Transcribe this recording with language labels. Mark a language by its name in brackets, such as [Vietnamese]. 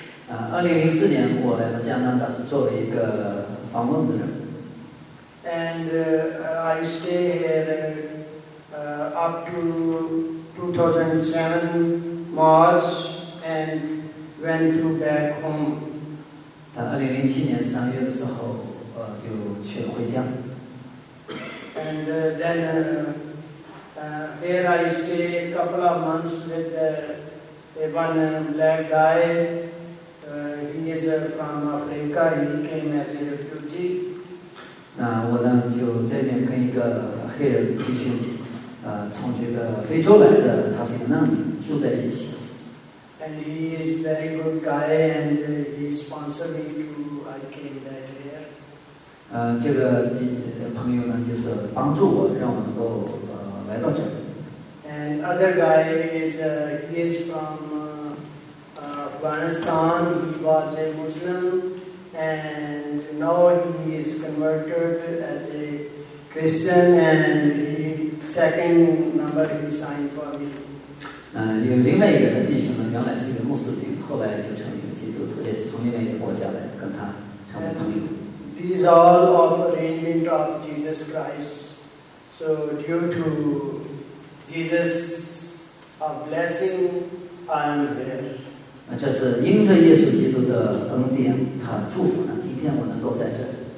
[Chinese] 2004年我来到加拿大是作为一个访问的人。 [English] And I stay here up to 2007 March and went to back home. [Chinese] 到2007年三月的时候，就去了回家。 [English] And then here I stay a couple of months with one black guy. He is from Africa. He came as a refugee. [Chinese] 那我呢就这边跟一个黑人弟兄，从这个非洲来的，他是一个难民，住在一起。 [English] And he is very good guy, and he sponsored me to I came back here. [Chinese] 这个朋友呢，就是帮助我，让我能够来到这里。 [English] And other guy is he is from Afghanistan. He was a Muslim. And now he is converted as a Christian, and he second number he signed for me. [Chinese] 有另外一个弟兄呢，原来是一个穆斯林，后来就成为基督徒，也是从另外一个国家来跟他成为朋友。 [English] These all of arrangement of Jesus Christ. So due to Jesus, a blessing, I am there. [Chinese] 这是因着耶稣基督的恩典，他祝福呢，今天我能够在这里。